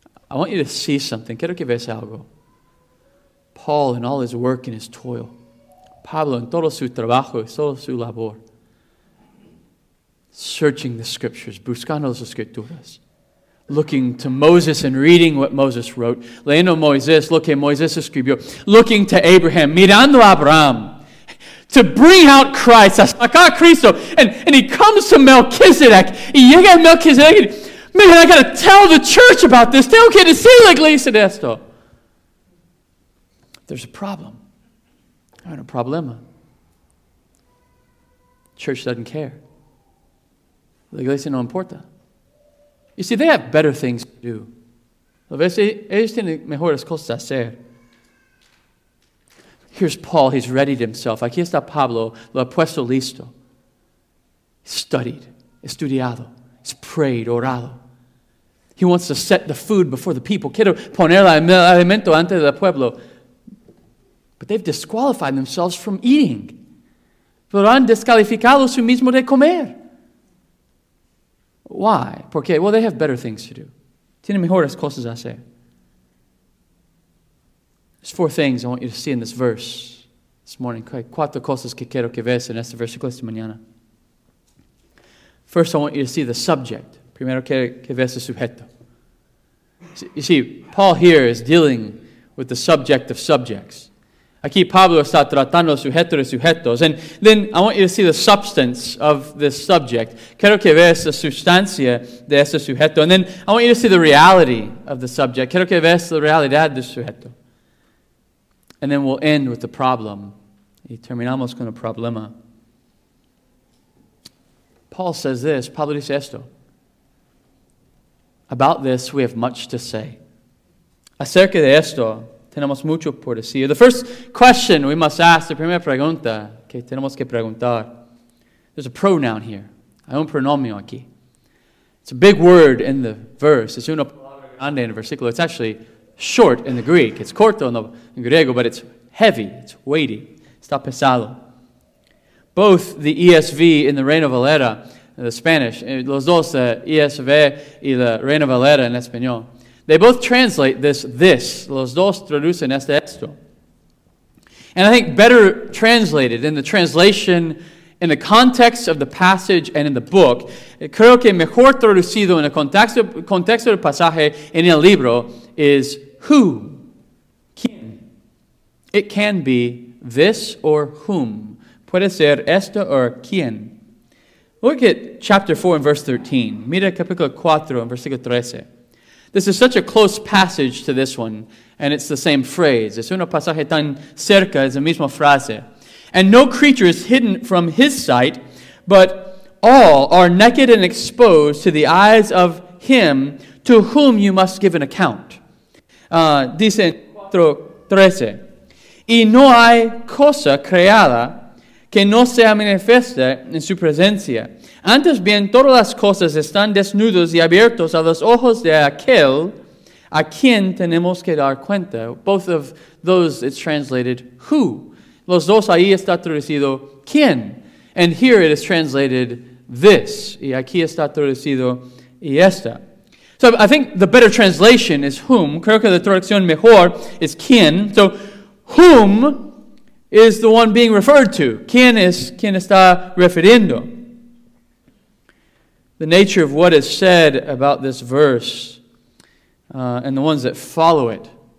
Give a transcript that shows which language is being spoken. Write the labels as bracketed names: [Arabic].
[English] I want you to see something. [Spanish] Quiero que veas algo. [English] Paul and all his work and his toil. [Spanish] Pablo en todo su trabajo y todo su labor. [English] Searching the scriptures, [Spanish] buscando las escrituras. [English] Looking to Moses and reading what Moses wrote. [Spanish] Leyendo Moisés, lo que Moisés escribió. [English] Looking to Abraham, [Spanish] mirando a Abraham. [English] To bring out Christ, [Spanish] a sacar Cristo. [English] And he comes to Melchizedek. [Spanish] Y llega Melchizedek. [English] Man, I got to tell the church about this. [Spanish] Tengo que decirle la iglesia de esto. [English] There's a problem. I have a problema. [Spanish] Church doesn't care. La iglesia no importa. [English] You see, they have better things to do. [Spanish] A veces ellos tienen mejores cosas a hacer. [English] Here's Paul, he's readied himself. [Spanish] Aquí está Pablo, lo ha puesto listo. [English] Studied, estudiado, he's prayed, orado. He wants to set the food before the people. [Spanish] Quiero poner el alimento ante el pueblo. [English] But they've disqualified themselves from eating. [Spanish] Pero han descalificado su mismo de comer. [English] Why? Porque, well, they have better things to do. [Spanish] Tienen mejores cosas a hacer. [English] There's four things I want you to see in this verse this morning. [Spanish] Cuatro cosas que quiero que veas en este versículo esta mañana. [English] First, I want you to see the subject. [Spanish] Primero quiero que veas el sujeto. [English] You see, Paul here is dealing with the subject of subjects. [Spanish] Aquí Pablo está tratando sujeto de sujetos. [English] And then I want you to see the substance of this subject. [Spanish] Quiero que veas la sustancia de ese sujeto. [English] And then I want you to see the reality of the subject. [Spanish] Quiero que veas la realidad del sujeto. [English] And then we'll end with the problem. [Spanish] Y terminamos con el problema. [English] Paul says this, [Spanish] Pablo dice esto. [English] About this, we have much to say. [Spanish] Acerca de esto, tenemos mucho por decir. [English] The first question we must ask, the [Spanish] primera pregunta que tenemos que preguntar. [English] There's a pronoun here. [Spanish] Hay un pronomio aquí. [English] It's a big word in the verse. [Spanish] It's una palabra grande en el versículo. [English] It's actually short in the Greek. It's [Spanish] corto en el griego, [English] but it's heavy. It's weighty. [Spanish] Está pesado. [English] Both the ESV and the Reina Valera, the Spanish, [Spanish] los dos, ESV y la Reina Valera en español, [English] they both translate this. [Spanish] Los dos traducen esto. [English] And I think better translated in the translation, in the context of the passage and in the book, [Spanish] creo que mejor traducido en el contexto del pasaje en el libro [English] is who, quién. It can be this or whom. [Spanish] Puede ser esto o quién. [English] Look at chapter 4 and verse 13. [Spanish] Mira capítulo 4 and versículo 13. [English] This is such a close passage to this one, and it's the same phrase. [Spanish] Es un pasaje tan cerca, es la misma frase. [English] And no creature is hidden from his sight, but all are naked and exposed to the eyes of him to whom you must give an account. [Spanish] Dice 4, 13. Y no hay cosa creada que no sea manifiesta en su presencia. Antes bien, todas las cosas están desnudas y abiertas a los ojos de aquel a quien tenemos que dar cuenta. [English] Both of those, it's translated, who. [Spanish] Los dos ahí está traducido, quién. [English] And here it is translated, this. [Spanish] Y aquí está traducido, y esta. [English] So I think the better translation is whom. [Spanish] Creo que la traducción mejor is quién. [English] So whom is the one being referred to. [Spanish] ¿Quién es quien está refiriendo? [English] The nature of what is said about this verse and the ones that follow it.